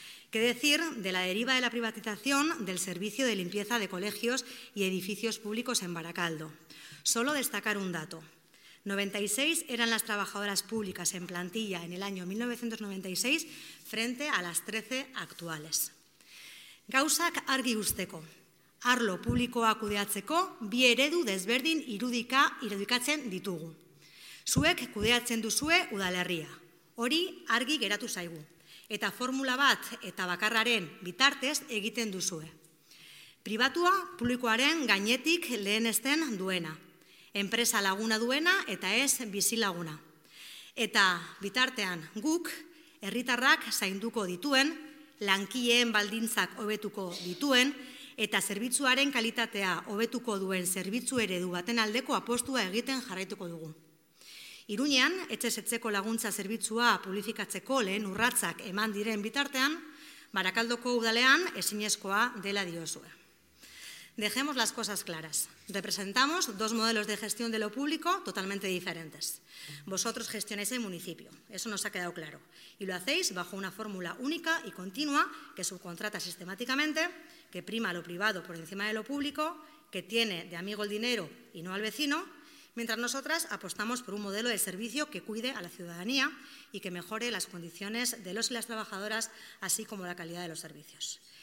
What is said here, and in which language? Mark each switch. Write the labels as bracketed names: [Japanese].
[Spanish] ¿Qué decir de la deriva de la privatización del servicio de limpieza de colegios y edificios públicos en Baracaldo? Solo destacar un dato. 96 eran las trabajadoras públicas en plantilla en el año 1996 frente a las 13 actuales. [Basque] Gauzak argi usteko. Arlo publikoa kudeatzeko bi eredu desberdin irudikatzen ditugu. Zuek kudeatzen duzue udalerria. Hori argi geratu zaigu. Eta formula bat eta bakarraren bitartez egiten duzue. Pribatua publikoaren gainetik lehenesten duena. Enpresa laguna duena eta ez bizilaguna. Eta bitartean guk, herritarrak zainduko dituen, lankileen baldintzak hobetuko dituen, eta zerbitzuaren kalitatea hobetuko duen zerbitzu eredu baten aldeko apostua egiten jarraituko dugu. Iruñean, etxez-etzeko laguntza zerbitzua publifikatzeko lehen urratzak eman diren bitartean, Barakaldoko udalean ezinezkoa dela diozue. [Spanish] Dejemos las cosas claras. Representamos dos modelos de gestión de lo público totalmente diferentes. Vosotros gestionáis el municipio, eso nos ha quedado claro. Y lo hacéis bajo una fórmula única y continua que subcontrata sistemáticamente, que prima lo privado por encima de lo público, que tiene de amigo el dinero y no al vecino, mientras nosotras apostamos por un modelo de servicio que cuide a la ciudadanía y que mejore las condiciones de los y las trabajadoras, así como la calidad de los servicios.